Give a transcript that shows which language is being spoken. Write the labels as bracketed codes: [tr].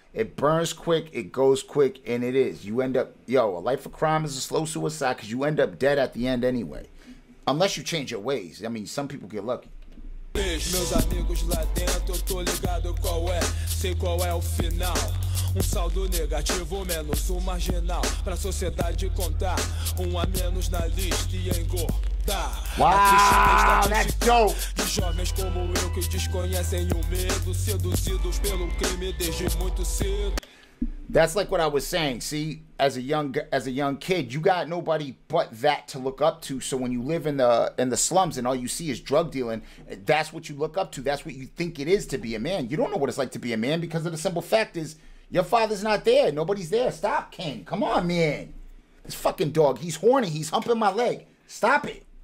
[en] It burns quick, it goes quick, and it is. You end up, yo, a life of crime is a slow suicide because you end up dead at the end anyway. Unless you change your ways. I mean, some people get lucky. [pt] Meus amigos lá dentro, eu tô ligado qual é, sei qual é o final. Saldo negativo, menos marginal. Pra sociedade contar, a menos na lista e engordar. [en] Wow, that's dope. [pt] De jovens como eu que desconhecem o medo, seduzidos pelo crime desde muito cedo. [en] That's like what I was saying. See, as a young kid, you got nobody but that to look up to. So when you live in the slums and all you see is drug dealing, that's what you look up to. That's what you think it is to be a man. You don't know what it's like to be a man because of the simple fact is your father's not there. Nobody's there. Stop, King. Come on, man. This fucking dog, he's horny. He's humping my leg. Stop it.